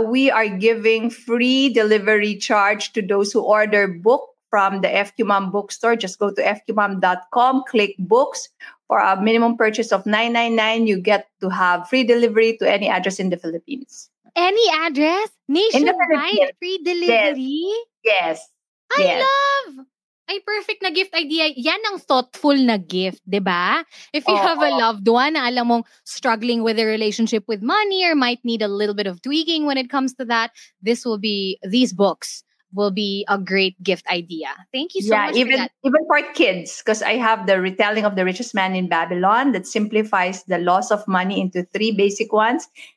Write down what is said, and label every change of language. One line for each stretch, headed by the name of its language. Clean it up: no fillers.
English: We are giving free delivery charge to those who order book from the FQ Mom bookstore. Just go to fqmom.com, click books. For a minimum purchase of $9.99, you get to have free delivery to any address in the Philippines. Any address? Nationwide free delivery? Yes. I love! Ay, perfect na gift idea.
Filipino: Yan ang thoughtful na gift, di ba?
English: If you have a loved one
Filipino: na alam mong
English: struggling with a relationship with money or might need a little bit of tweaking when it comes to that, these books will be a great gift idea. Thank you so much. Even for kids, because I have the retelling of The Richest Man in Babylon that simplifies the loss of money into 3 basic ones.